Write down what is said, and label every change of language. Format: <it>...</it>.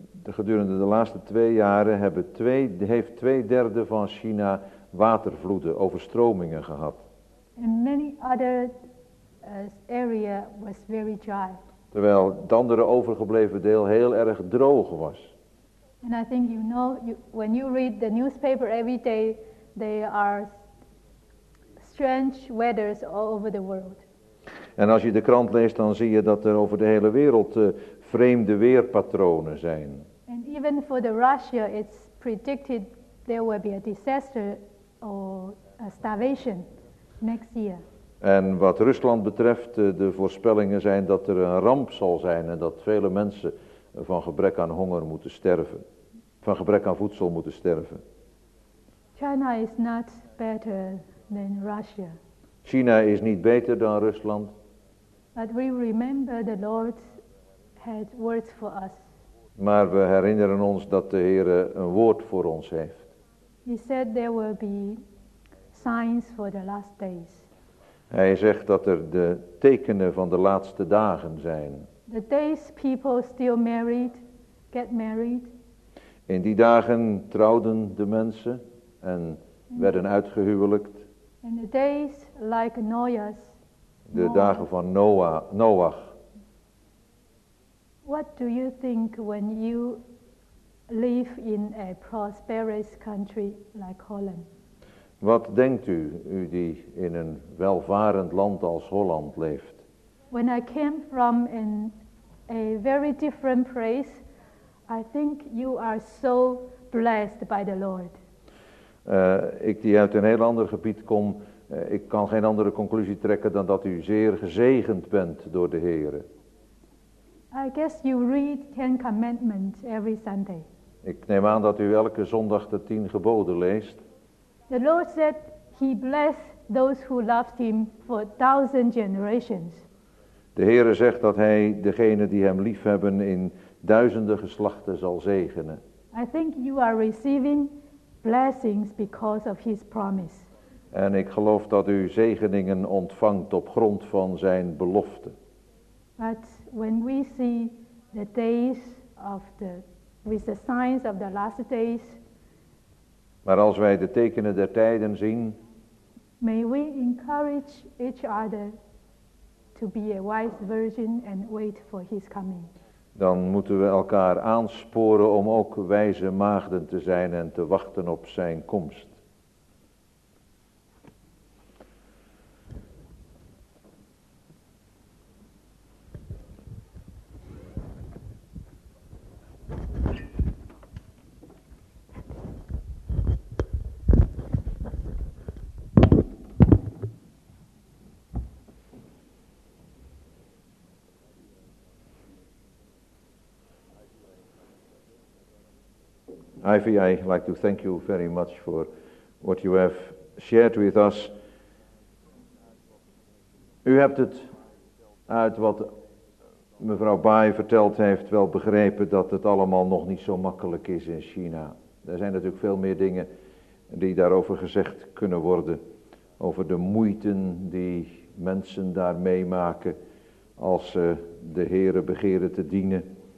<nl>Gedurende de laatste 2 jaren heeft 2/3 van China watervloeden, overstromingen gehad.</nl> <en>And many other area was very dry.</en> <nl>Terwijl het andere overgebleven deel heel erg droog was.</nl> <en>And I think you know, when you read the newspaper every day, there are strange weathers all over the world.</en> <nl>En als je de krant leest, dan zie je dat er over de hele wereld vreemde weerpatronen zijn.</nl> <en>And even for the Russia, it's predicted there will be a disaster or a starvation next year.</en> <nl>En wat Rusland betreft, de voorspellingen zijn dat er een ramp zal zijn en dat vele mensen van gebrek aan honger moeten sterven, van gebrek aan voedsel moeten sterven.</nl> <en>China is not better than Russia.</en> <nl>China is niet beter dan Rusland.</nl> <en>But we remember the Lord had words for us.</en> <nl>Maar we herinneren ons dat de Heere een woord voor ons heeft.</nl> <en>He said there will be signs for the last days.</en> <nl>Hij zegt dat er de tekenen van de laatste dagen zijn.</nl> <en>The days people still married, get married.</en> <nl>In die dagen trouwden de mensen en werden uitgehuwelijkd.</nl> <en>In the days like Noah's.</en> <nl>De dagen van Noach.</nl> <en>What do you think when you live in a prosperous country like Holland?</en> <nl>Wat denkt u die in een welvarend land als Holland leeft?</nl> <en>When I came from an a very different praise. I think you are so blessed by the Lord.</en> <nl>Ik die uit een heel ander gebied kom, ik kan geen andere conclusie trekken dan dat u zeer gezegend bent door de Heere.</nl> <en>I guess you read 10 commandments every Sunday.</en> <nl>Ik neem aan dat u elke zondag de 10 geboden leest.</nl> <en>The Lord said he blessed those who loved him for 1000 generations.</en> <nl>De Heere zegt dat hij degenen die hem lief hebben in duizenden geslachten zal zegenen.</nl> <en>I think you are receiving blessings because of his promise.</en> <nl>En ik geloof dat u zegeningen ontvangt op grond van zijn belofte.</nl> <en>But when we see the days of the with the signs of the last days.</en> <nl>Maar als wij de tekenen der tijden zien.</nl> <en>May we encourage each other to be a wise virgin and wait for his coming.</en> <nl>Dan moeten we elkaar aansporen om ook wijze maagden te zijn en te wachten op zijn komst.</nl> <en>Ivy, I'd like to thank you very much for what you have shared with us.</en> <nl>U hebt het uit wat mevrouw Bai verteld heeft wel begrepen dat het allemaal nog niet zo makkelijk is in China. Er zijn natuurlijk veel meer dingen die daarover gezegd kunnen worden. Over de moeite die mensen daar meemaken als ze de Heere begeren te dienen.</nl>